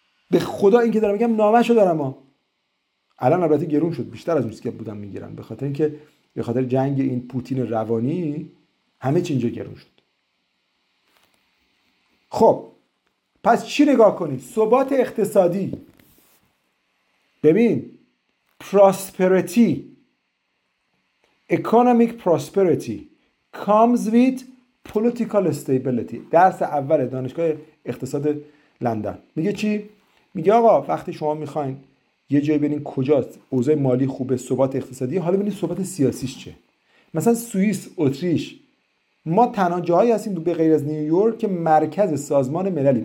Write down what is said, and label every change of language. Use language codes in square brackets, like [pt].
[fa] به خدا این که دارم میگم نامش رو دارم، ها الان البته گرون شد، بیشتر از میسکه بودم میگیرن، به خاطر اینکه به خاطر جنگ این پوتین روانی همه چی اینجا گرون شد. خب پس چی نگاه کنی؟ ثبات اقتصادی. ببین [en] prosperity, economic prosperity comes with political stability. [fa] درس اول دانشگاه اقتصاد لندن میگه چی؟ میگه آقا وقتی شما میخواین یه جایی ببینین کجاست اوضاع مالی خوبه، ثبات اقتصادی، حالا ببینین ثبات سیاسیش چه. مثلا سوئیس، اتریش، ما تنها جایی هستیم به غیر از نیویورک که مرکز سازمان ملل‌ایم.